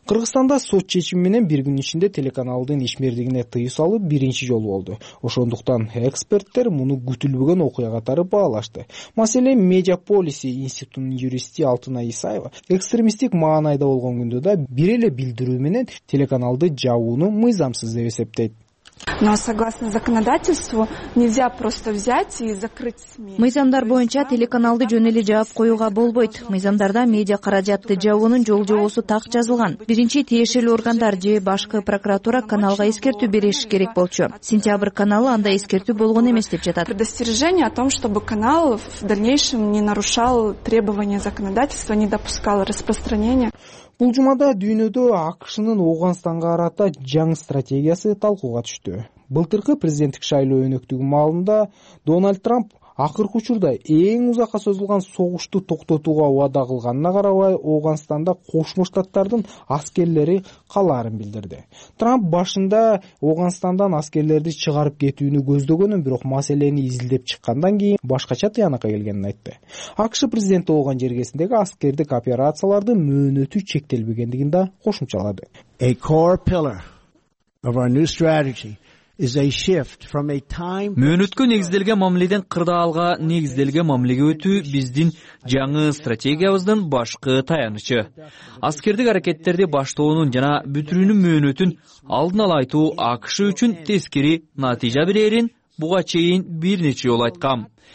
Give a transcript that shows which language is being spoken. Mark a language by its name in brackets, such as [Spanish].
[Kyrgyz] Кыргызстанда сот чечими менен бир күн ичинде телеканалдын ишмердигине тыюу салуу биринчи жолу болду. Ошондуктан эксперттер муну күтүлбөгөн окуя катары баалашты. Маселен, Медиаполиси институтунун юристи Алтынай Исаева экстремисттик маанайда болгон күндө да бир эле билдирүү менен телеканалды жабууну мыйзамсыз деп эсептейт. [Russian] Но согласно законодательству нельзя просто взять и закрыть СМИ. [Kyrgyz] Мыйзамдар боюнча телеканалды жөн эле жаап коюуга болбойт. Мыйзамдарда медиа каражатты жабуунун жол-жобосу так жазылган. Биринчи тиешелүү органдар же башкы прокуратура каналга эскертүү бериши керек болчу. Сентябрь каналы андай эскертүү болгон эмес деп жатат. [Russian] Предостережение о том, чтобы канал в дальнейшем не нарушал требования законодательства, не допускал распространения. [Kyrgyz] Бул жумада дүйнөдө АКШнын Ооганстанга карата жаңы стратегиясы талкууга түштү. Былтыркы президенттик шайлоо өнөктүгү маалында Дональд Трамп акыркы учурда эң узакка созулган согушту токтотууга убада кылганына карабай, Ооганстанда Кошмо Штаттардын аскерлери калаарын билдирди. Трамп башында Ооганстандан аскерлерди чыгарып кетүүнү көздөгөнүн, бирок маселени изилдеп чыккандан кийин башкача тыянакка келгенин айтты. АКШ президенти Ооган жергесиндеги аскердик операциялардын мөөнөтү чектелбегендигин да кошумчалады. [English] A core pillar of our new strategy is a shift from a time [Kyrgyz] мөөнөткө негизделген мамиледен кырдаалга негизделген мамилеге өтүү биздин жаңы стратегиябыздын башкы таянычы. Аскердик аракеттерди баштоонун жана бүтүрүүнүн мөөнөтүн алдын ала айтуу АКШ үчүн тескери натыйжа берерин буга чейин бир нече жолу айткам.